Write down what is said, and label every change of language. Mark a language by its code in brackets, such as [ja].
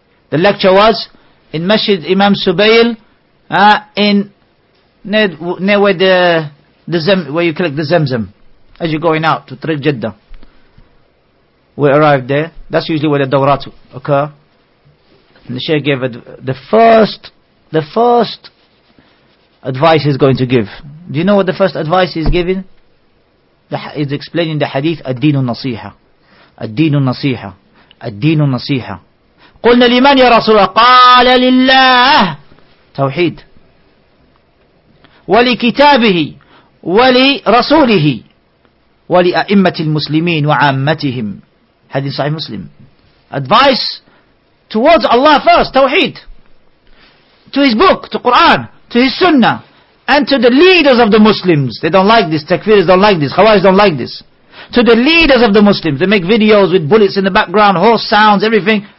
[en] The lecture was in Masjid Imam Subayl, near where where you collect the Zamzam, as you're going out to Tariq Jeddah. We arrived there. That's usually where the Dawrat occur. And the Shaykh gave the first advice he's going to give. Do you know what the first advice he's giving? He's explaining the hadith, [ar] Ad-Dinu Nasiha. Ad-Dinu Nasiha. الدين النصيحة قلنا لمن يا رسول الله قال لله توحيد ولكتابه ولرسوله ولأئمة المسلمين وعامتهم. حديث صحيح مسلم. [en] Advice towards Allah first, توحيد. To his book, to Quran, to his sunnah, and to the leaders of the Muslims. They don't like this. Takfiris don't like this. Khawaris don't like this. To the leaders of the Muslims. They make videos with bullets in the background, horse sounds, everything.